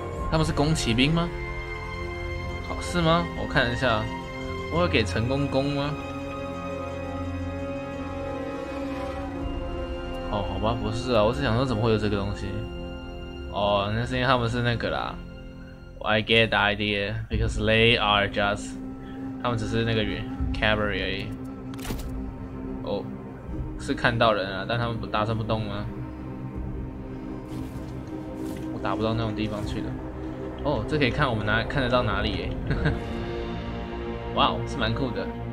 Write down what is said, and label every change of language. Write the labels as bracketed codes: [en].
[zh] 他们是弓骑兵吗？好，是吗？我看一下，我有给成功弓吗？哦，好吧，不是啊，我是想说怎么会有这个东西？哦，那是因为他们是那个啦。 [en] I get the idea because they are just， [zh] 他们只是那个 cavalry 而已。哦，是看到人啊，但他们不打算不动吗？我打不到那种地方去的。哦，这可以看我们哪看得到哪里耶？哇哦，是蛮酷的。